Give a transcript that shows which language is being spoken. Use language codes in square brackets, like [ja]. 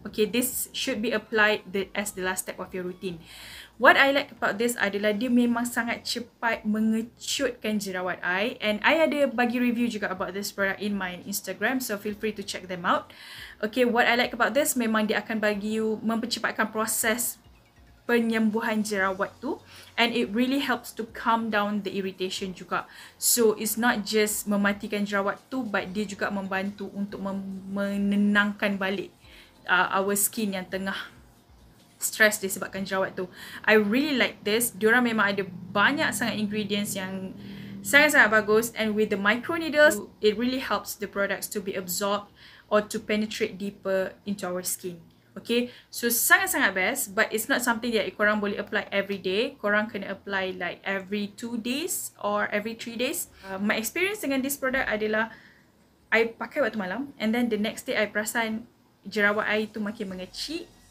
[en] Okay, this should be applied as the last step of your routine. What I like about this [ms] adalah dia memang sangat cepat mengecutkan jerawat I. [en] And I [ms] ada bagi [en] review juga about this product in my Instagram, so feel free to check them out. [ms] Okay, [en] what I like about this, [ms] memang dia akan bagi you, mempercepatkan proses penyembuhan jerawat tu. [en] And it really helps to calm down the irritation juga. So it's not just [ms] mematikan jerawat tu, [en] but [ms] dia juga membantu untuk menenangkan balik [en] our skin [ms] yang tengah stress disebabkan jerawat tu. [en] I really like this. [ms] Diorang memang ada banyak sangat ingredients yang sangat-sangat bagus. [en] And with the micro needles, it really helps the products to be absorbed or to penetrate deeper into our skin. Okay, so sangat-sangat best, but it's not something that [ms] korang boleh [en] apply every day. [ms] Korang kena [en] apply like every 2 days or every 3 days. My experience dengan this product [ms] adalah I pakai waktu malam, [en] and then the next day I [ms] perasan jerawat I tu makin mengecik.